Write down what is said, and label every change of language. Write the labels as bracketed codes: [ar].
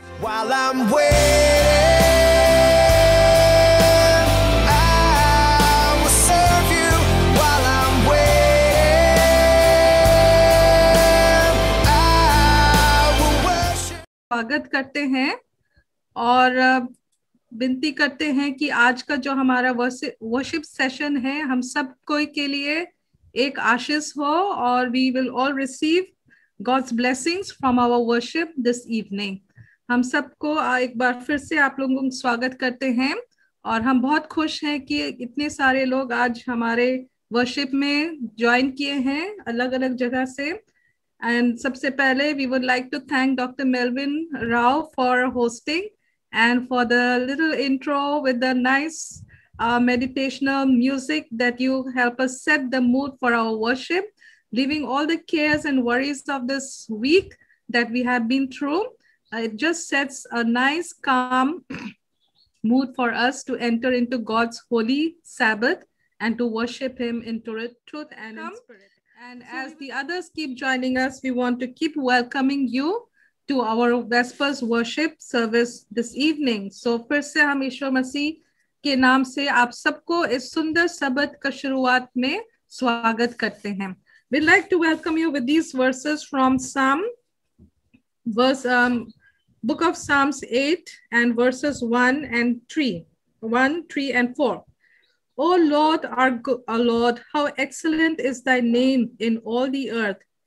[en] While I'm waiting, I will serve you. While I'm waiting, I will worship. [hi] स्वागत करते हैं और विनती करते हैं कि आज का जो हमारा वर्शिप सेशन है, हम सब कोई के लिए एक आशीष हो और [en] We will all receive God's blessings from our worship this evening. [hi] हम सबको एक बार फिर से आप लोगों का स्वागत करते हैं और हम बहुत खुश हैं कि इतने सारे लोग आज हमारे वर्शिप में ज्वाइन किए हैं अलग अलग जगह से। [en] and [hi] सबसे पहले [en] We would like to thank doctor Melvin Rao for hosting and for the little intro with the nice meditational music that you help us set the mood for our worship, leaving all the cares and worries of this week that we have been through. It just sets a nice calm mood for us to enter into God's holy Sabbath and to worship him in truth and in spirit. And so as the others keep joining us, we want to keep welcoming you to our Vespers worship service this evening. [hi] So, फिर से हम ईश्वर मसीह के नाम से आप सबको इस सुंदर सबत का शुरुआत में स्वागत करते हैं। [en] We'd like to welcome you with these verses from Psalm, book of Psalms 8 and verses 1, 3, and 4. O Lord, our Lord, how excellent is thy name in all the earth.